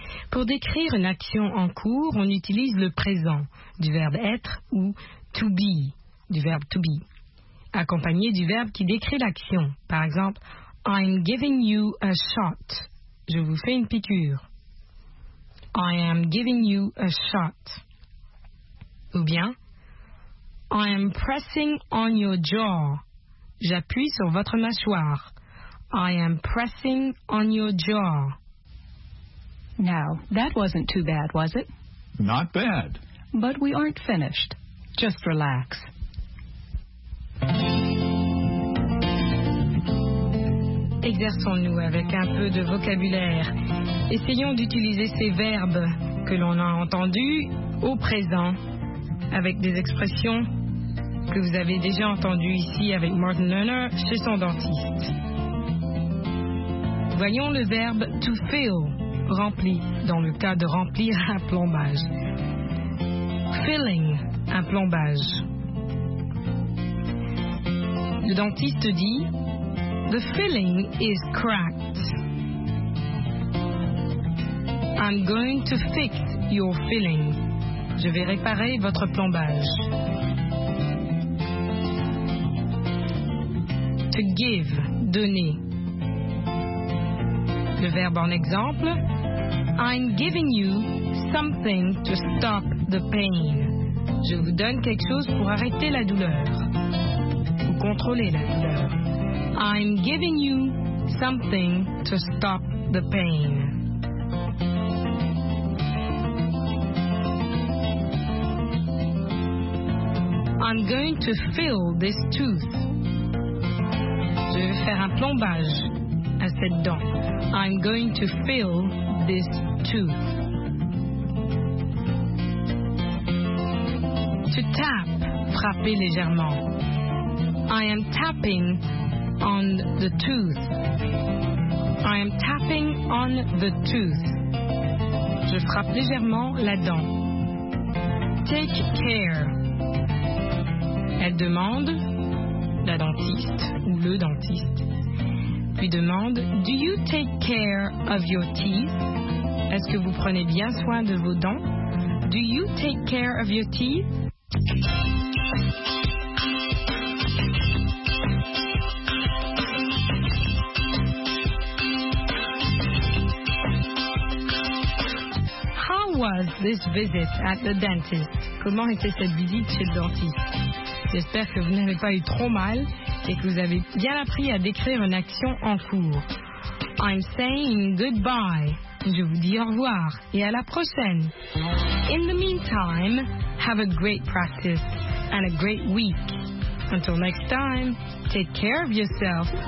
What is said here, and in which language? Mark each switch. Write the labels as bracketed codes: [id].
[fr] Pour décrire une action en cours, on utilise le présent du verbe être ou to be, du verbe to be, accompagné du verbe qui décrit l'action. Par exemple, [en] I'm giving you a shot. [fr] Je vous fais une piqûre. [en] I am giving you a shot. [fr] Ou bien, [en] I am pressing on your jaw. [fr] J'appuie sur votre mâchoire. [en] I am pressing on your jaw. Now, that wasn't too bad, was it? Not bad. But we aren't finished. Just relax. [fr] Exerçons-nous avec un peu de vocabulaire. Essayons d'utiliser ces verbes que l'on a entendus au présent avec des expressions que vous avez déjà entendues ici avec Martin Lerner chez son dentiste. Voyons le verbe to fill, rempli, dans le cas de remplir un plombage. Filling, un plombage. Le dentiste dit [en] « The filling is cracked. I'm going to fix your filling. [fr] Je vais réparer votre plombage. » To give, donner. Le verbe en exemple « [en] I'm giving you something to stop the pain. [fr] » Je vous donne quelque chose pour arrêter la douleur. Contrôler la douleur. [en] I'm giving you something to stop the pain. I'm going to fill this tooth. [fr] Je vais faire un plombage à cette dent. [en] I'm going to fill this tooth. [fr] To tap, frapper légèrement. [en] I am tapping on the tooth. I am tapping on the tooth. [fr] Je frappe légèrement la dent. [en] Take care. [fr] Elle demande, la dentiste ou le dentiste, lui demande, [en] do you take care of your teeth? [fr] Est-ce que vous prenez bien soin de vos dents? [en] Do you take care of your teeth? Was this visit at the dentist? [fr] Comment était cette visite chez le dentiste? J'espère que vous n'avez pas eu trop mal et que vous avez bien appris à décrire une action en cours. [en] I'm saying goodbye. [fr] Je vous dis au revoir et à la prochaine. [en] In the meantime, have a great practice and a great week. Until next time, take care of yourself.